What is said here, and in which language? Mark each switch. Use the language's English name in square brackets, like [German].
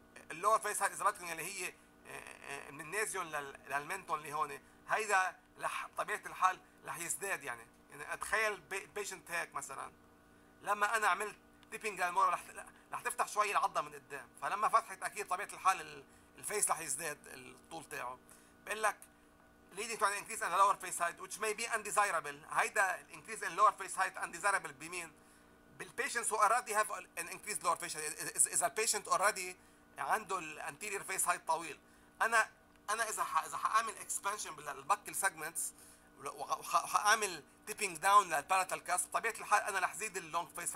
[Arabic] اللور فيس هايت اذا بدكم اللي هي من النازيون للمنتون اللي هون، هيدا رح بطبيعه الحال رح يزداد. يعني اتخيل بيشنت هيك مثلا لما انا عملت تيبينج للمورا رح تفتح شوي العضه من قدام، فلما فتحت اكيد طبيعه الحال الفيس رح يزداد الطول تاعه. بقول لك [English] leading to an increase in the lower face height which may be undesirable. [Arabic] هيدا [English] increase in lower face height undesirable [Arabic] بمين؟ [English] بالpatients who already have an increased lower face height. [Arabic] اذا البيشنت already عنده الانتيريور فيس هايت طويل، انا اذا حاعمل اكسبانشن بالباكل سيجمنتس وحاعمل تيبينج داون للباراتال كاسب طبيعه الحال انا رح زيد اللونج فيس.